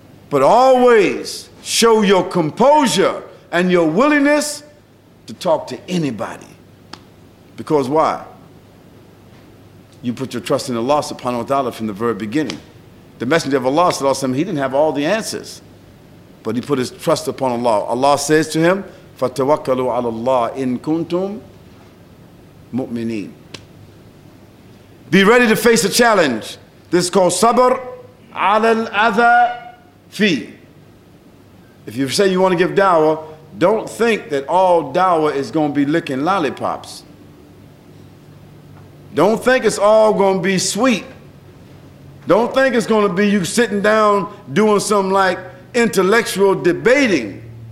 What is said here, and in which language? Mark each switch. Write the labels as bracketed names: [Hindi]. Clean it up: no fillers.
[English] But always show your composure and your willingness to talk to anybody. Because why? You put your trust in Allah subhanahu wa ta'ala from the very beginning. The Messenger of Allah sallallahu alaihi wasallam, he didn't have all the answers, but he put his trust upon Allah. [Arabic] Allah says to him, فَتَوَكَّلُوا عَلَى اللَّهِ إِن كُنْتُمْ مُؤْمِنِينَ. [English] Be ready to face a challenge. This is called sabr [Arabic] عَلَى الْأَذَى فِي. [English] If you say you want to give dawah, don't think that all dawah is going to be licking lollipops. Don't think it's all going to be sweet. Don't think it's going to be you sitting down doing some like intellectual debating.